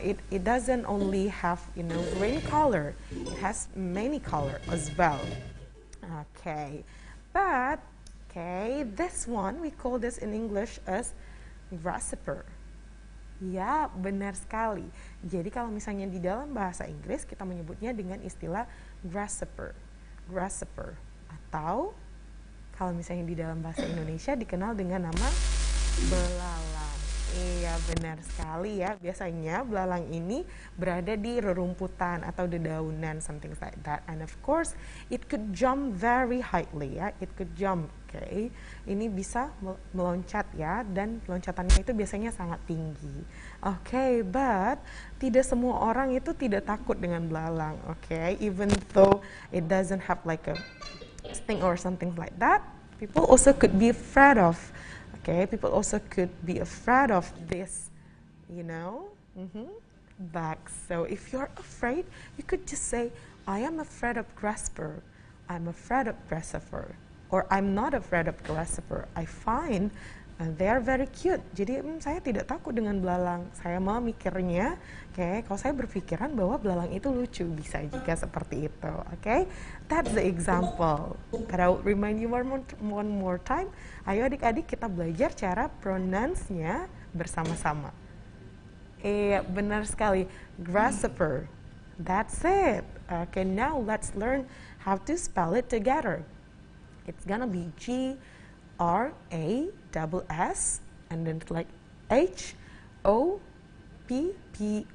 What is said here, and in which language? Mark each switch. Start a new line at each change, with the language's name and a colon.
English: It doesn't only have, you know, green color. It has many color as well. Okay, but okay, this one we call this in English as grasshopper.
Indonesian: Ya, benar sekali. Jadi kalau misalnya di dalam bahasa Inggris kita menyebutnya dengan istilah grasshopper, grasshopper, atau kalau misalnya di dalam bahasa Indonesia dikenal dengan nama belalang. Iya, benar sekali ya. Biasanya belalang ini berada di rerumputan atau dedaunan,
English: something like that. And of course, it could jump very highly ya. It could jump, okay.
Indonesian: Ini bisa meloncat ya, dan loncatannya itu biasanya sangat tinggi. Okay, but tidak semua orang itu tidak takut dengan belalang, okay.
English: Even though it doesn't have like a sting or something like that, people also could be afraid of. Okay, people also could be afraid of this, you know, bug. So if you're afraid, you could just say, I am afraid of grasshopper. I'm afraid of grasshopper. Or I'm not afraid of grasshopper. I find they are very cute.
Indonesian: Jadi saya tidak takut dengan belalang. Saya malah mikirnya, okay, kalau saya berpikiran bahwa belalang itu lucu, bisa juga seperti itu.
English: Okay, that's the example. But I will remind you one more time.
Indonesian: Ayo adik-adik kita belajar cara pronounce-nya bersama-sama. Benar sekali,
English: grasshopper. That's it. Okay, now let's learn how to spell it together. It's gonna be G R A S and then like H O P P.